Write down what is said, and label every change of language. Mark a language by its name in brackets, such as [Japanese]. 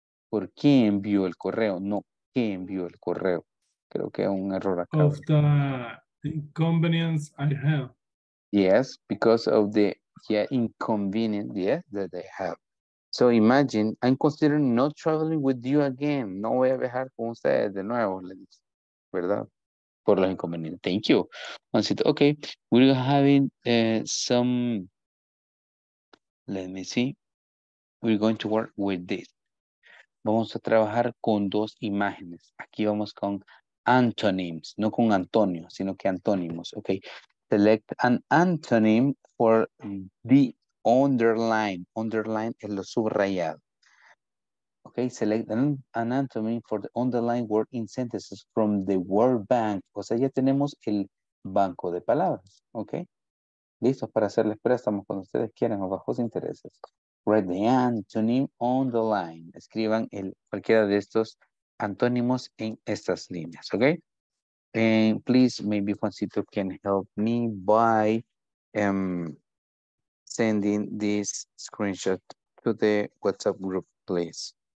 [Spanish] ¿Por qué envió el correo? No, ¿qué envió el correo? Creo que es un error acá. [English] Inconvenience I have. Yes, because of the inconvenience, that they have. So imagine, I'm considering not traveling with you again. [Spanish] No voy a viajar con ustedes de nuevo, ¿verdad? Por los inconvenientes. [English] Thank you. Okay, we're having some, let me see. We're going to work with this. [Spanish] Vamos a trabajar con dos imágenes. Aquí vamos con antonyms, no con Antonio, sino que antónimos, okay. [English] Select an antonym for the underline. [Spanish] Underline es lo subrayado. [English] Okay, select an antonym for the underline word in sentences from the word bank. [Spanish] O sea, ya tenemos el banco de palabras, okay. Listos para hacerles préstamos cuando ustedes quieran o bajos intereses. [English] Write the antonym on the line. [Spanish] Escriban cualquiera de estos antónimos en estas líneas, okay? [English] And please, maybe Juancito can help me by sending this screenshot to the WhatsApp group, please.